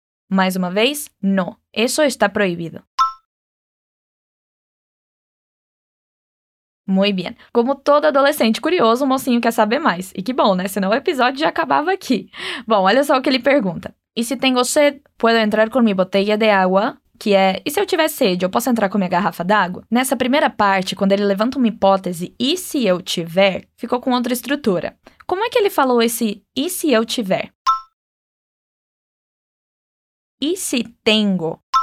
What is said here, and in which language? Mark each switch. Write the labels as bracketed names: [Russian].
[Portuguese] Mais uma vez, [Spanish] no, eso está prohibido. Muy bien. [Portuguese] Como todo adolescente curioso, o mocinho quer saber mais. E que bom, né? Senão o episódio já acabava aqui. Bom, olha só o que ele pergunta. [Spanish] E se tengo sed, puedo entrar con mi botella de agua? [Portuguese] Que é, e se eu tiver sede, eu posso entrar com minha garrafa d'água? Nessa primeira parte, quando ele levanta uma hipótese, e se eu tiver, ficou com outra estrutura. Como é que ele falou esse, e se eu tiver? [Spanish] ¿Y si tengo?